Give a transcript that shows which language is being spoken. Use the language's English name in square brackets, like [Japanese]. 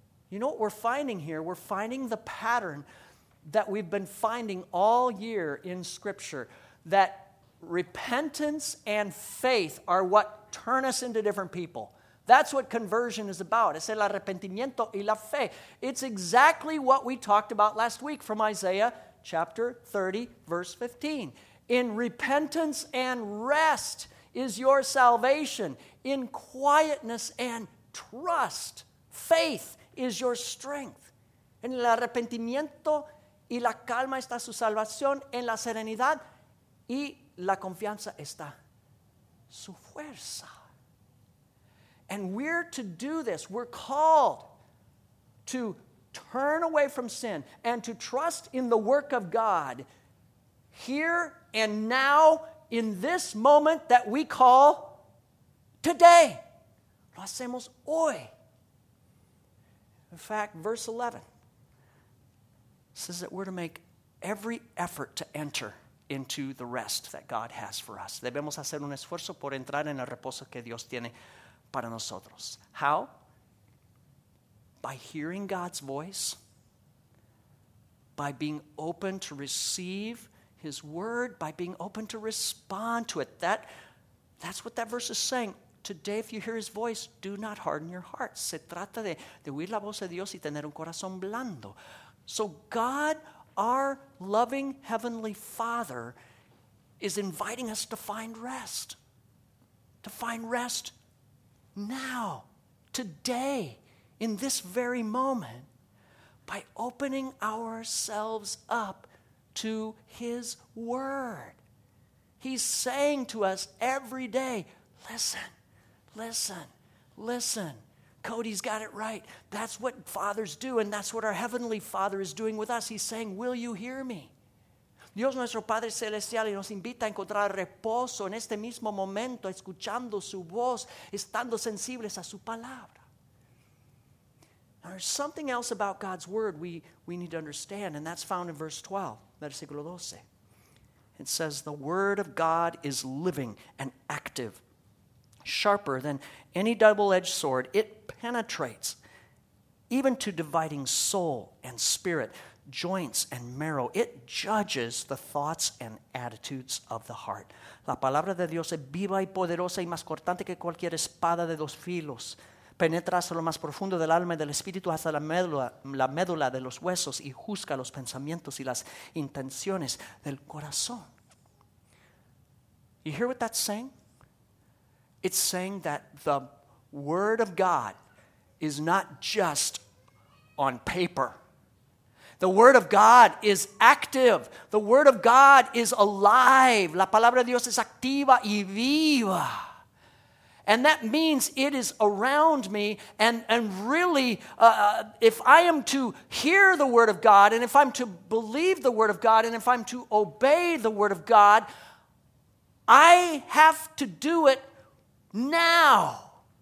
[English] You know what we're finding here? We're finding the pattern that we've been finding all year in Scripture, that repentance and faith are what turn us into different people. That's what conversion is about. [Spanish] Es el arrepentimiento y la fe. [English] It's exactly what we talked about last week from Isaiah chapter 30, verse 15. In repentance and rest is your salvation. In quietness and trust, faith is your strength. [Spanish] En el arrepentimiento y la calma está su salvación. En la serenidad y la confianza está su fuerza. [English] And we're to do this. We're called to turn away from sin and to trust in the work of God here and now in this moment that we call today. [Spanish] Lo hacemos hoy. [English] In fact, verse 11 says that we're to make every effort to enter into the rest that God has for us. [Spanish] Debemos hacer un esfuerzo por entrar en el reposo que Dios tiene para nosotros. [English] How? By hearing God's voice, by being open to receive His word, by being open to respond to it. That's what that verse is saying. Today, if you hear His voice, do not harden your heart. [Spanish] Se trata de oír la voz de Dios y tener un corazón blando. [English] So God, our loving Heavenly Father, is inviting us to find rest. To find rest now, today, in this very moment, by opening ourselves up to His Word. He's saying to us every day, listen, listen, listen. Cody's got it right. That's what fathers do, and that's what our Heavenly Father is doing with us. He's saying, will you hear me? [Spanish] Dios nuestro Padre Celestial nos invita a encontrar reposo en este mismo momento, escuchando su voz, estando sensibles a su palabra. [English] Now, there's something else about God's word we need to understand, and that's found in verse 12, [Spanish] versículo 12. [English] It says, the word of God is living and active, sharper than any double-edged sword. It penetrates even to dividing soul and spirit, joints and marrow. It judges the thoughts and attitudes of the heart. [Spanish] La palabra de Dios es viva y poderosa y más cortante que cualquier espada de dos filos. Penetra hasta lo más profundo del alma y del espíritu, hasta la médula de los huesos, y juzga los pensamientos y las intenciones del corazón. [English] You hear what that's saying? It's saying that the Word of God is not just on paper. The Word of God is active. The Word of God is alive. [Spanish] La palabra de Dios es activa y viva. [English] And that means it is around me. And really, if I am to hear the Word of God, and if I'm to believe the Word of God, and if I'm to obey the Word of God, I have to do it now.